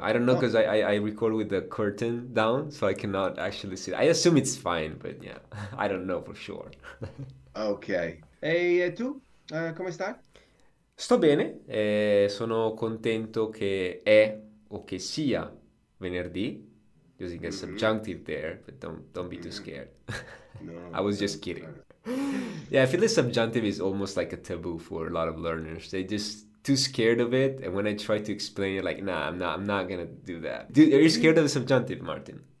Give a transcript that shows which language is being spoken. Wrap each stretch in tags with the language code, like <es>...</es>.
<en>I don't know because I record with the curtain down, so I cannot actually see. I assume it's fine, but yeah, I don't know for sure.</en> <it>Ok. E tu, come stai? Sto bene, sono contento che è o che sia venerdì.</it> <en>Using a subjunctive there, but don't be too scared. I No, was just don't. kidding. Yeah, I feel the subjunctive is almost like a taboo for a lot of learners. They're just too scared of it, and when I try to explain it, like, nah, I'm not gonna do that. Dude, are you scared of the subjunctive, Martin?</en>